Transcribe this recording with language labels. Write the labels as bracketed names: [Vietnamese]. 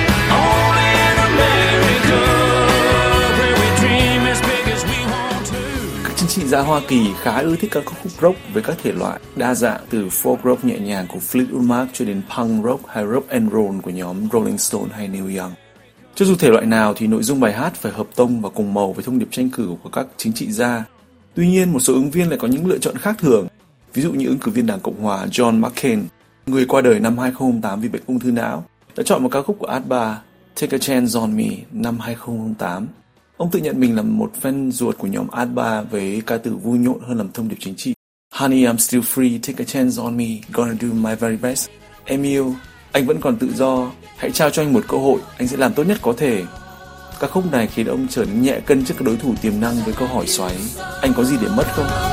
[English] Only in America, where we dream as big as we want to. [Vietnamese] Các chính trị gia Hoa Kỳ khá ưa thích các khúc rock với các thể loại đa dạng từ folk rock nhẹ nhàng của Fleetwood Mac cho đến punk rock hay rock and roll của nhóm Rolling Stone hay Neil Young. Cho dù thể loại nào thì nội dung bài hát phải hợp tông và cùng màu với thông điệp tranh cử của các chính trị gia. Tuy nhiên, một số ứng viên lại có những lựa chọn khác thường. Ví dụ như ứng cử viên Đảng Cộng Hòa John McCain, người qua đời năm 2008 vì bệnh ung thư não, đã chọn một ca khúc của Abba, Take a Chance on Me, năm 2008. Ông tự nhận mình là một fan ruột của nhóm Abba với ca từ vui nhộn hơn là thông điệp chính trị. [English] Honey, I'm still free, take a chance on me, gonna do my very best. [Vietnamese] Em yêu, anh vẫn còn tự do, hãy trao cho anh một cơ hội, anh sẽ làm tốt nhất có thể. Ca khúc này khiến ông trở nên nhẹ cân trước các đối thủ tiềm năng với câu hỏi xoáy, anh có gì để mất không?